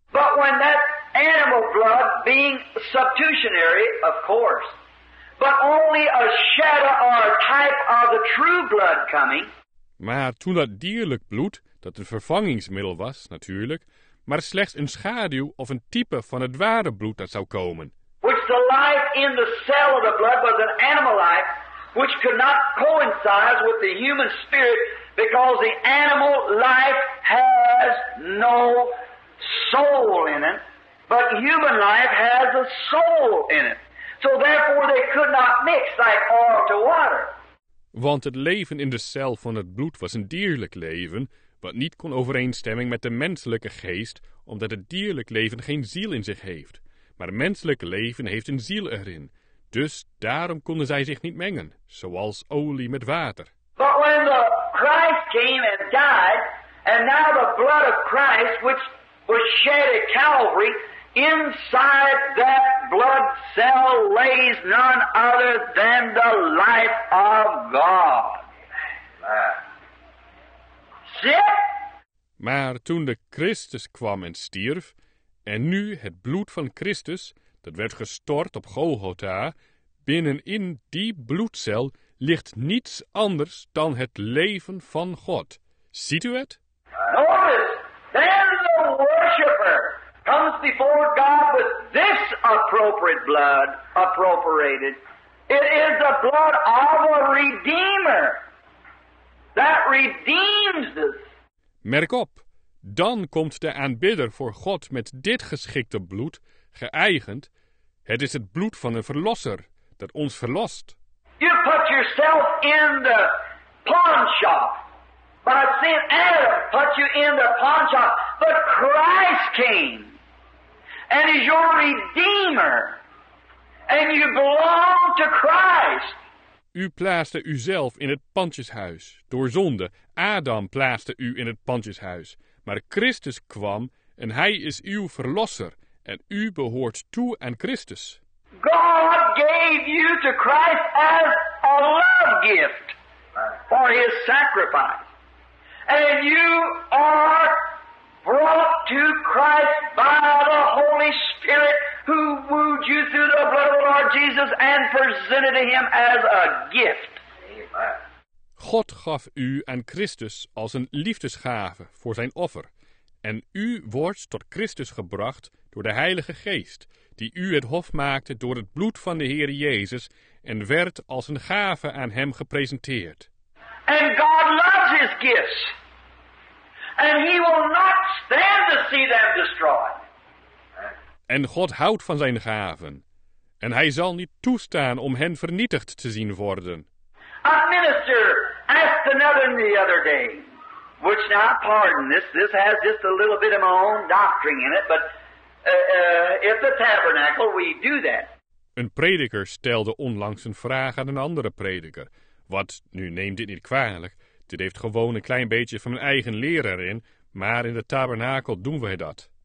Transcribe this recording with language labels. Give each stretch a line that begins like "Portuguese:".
English: But when that animal blood being substitutionary, of course, but only a shadow or a type of the true blood coming.
Dutch: Maar toen dat dierlijk bloed, dat een vervangingsmiddel was, natuurlijk, maar slechts een schaduw of een type van het ware bloed dat zou komen.
English: Which the life in the cell of the blood was an animal life, which could not coincide with the human spirit, because the animal life has no soul in it, but human life has a soul in it. So therefore they could not mix like oil to water.
Dutch: Want het leven in de cel van het bloed was een dierlijk leven, wat niet kon overeenstemmen met de menselijke geest, omdat het dierlijk leven geen ziel in zich heeft. Maar menselijk leven heeft een ziel erin. Dus daarom konden zij zich niet mengen, zoals olie met water.
English: But when the Christ came and died, and now the blood of Christ, which was shed at Calvary, inside that blood cell lays none other than the life of God. Zit?
Dutch: Maar toen de Christus kwam en stierf, en nu het bloed van Christus, dat werd gestort op Golgotha, binnenin die bloedcel ligt niets anders dan het leven van God. Ziet u het?
English: Notice, then the worshipper comes before God with this appropriate blood, appropriated. It is the blood of a redeemer that redeems us.
Dutch: Merk op, dan komt de aanbidder voor God met dit geschikte bloed, geëigend. Het is het bloed van een verlosser dat ons verlost.
English: You put yourself in the pawn shop. But sin Adam put you in the pawn shop. But Christ came and is your redeemer. And you belong to Christ.
Dutch: U plaatste uzelf in het pandjeshuis door zonde. Adam plaatste u in het pandjeshuis. Maar Christus kwam en hij is uw verlosser. En u behoort toe aan Christus.
English: God gave you to Christ as a love gift for his sacrifice. And you are brought to Christ by the Holy Spirit who wooed you through the blood of the Lord Jesus and presented to him as a gift.
Dutch: God gaf u aan Christus als een liefdesgave voor zijn offer. En u wordt tot Christus gebracht door de Heilige Geest, die u het hof maakte door het bloed van de Heer Jezus en werd als een gave aan hem gepresenteerd.
English: And God loves his gifts. And he will not stand to see them destroyed.
Dutch: En God houdt van zijn gaven. En hij zal niet toestaan om hen vernietigd te zien worden.
English: A minister asked another the other day, which now pardon this has just a little bit of my own doctrine in it, but if the tabernacle, we do that.
Dutch: Een prediker stelde onlangs een vraag aan een andere prediker. Wat, nu neem dit niet kwalijk, dit heeft gewoon een klein beetje van mijn eigen leer erin, maar in de tabernakel doen wij dat.